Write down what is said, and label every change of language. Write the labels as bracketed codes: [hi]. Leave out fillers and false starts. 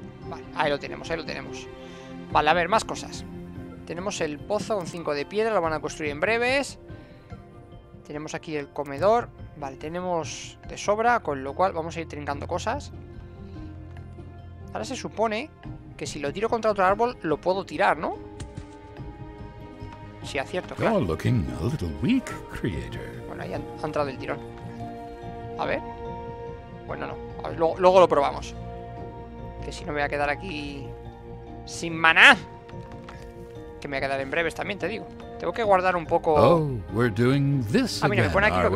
[es] Vale, ahí lo tenemos, ahí lo tenemos. Vale, a ver, más cosas. Tenemos el pozo con 5 de piedra, lo van a construir en breves. Tenemos aquí el comedor. Vale, tenemos de sobra, con lo cual vamos a ir trincando cosas. Ahora se supone que si lo tiro contra otro árbol, lo puedo tirar, ¿no? Sí, acierto, claro. [en] You're looking a little weak, creator. [es] Bueno, ahí ha entrado el tirón. A ver. Bueno, no. A ver, luego lo probamos. Que si no me voy a quedar aquí... Sin maná. Que me voy a quedar en breves también, te digo. Tengo que guardar un poco. [en] Oh, we're doing this again, [es] mira, me pone aquí lo que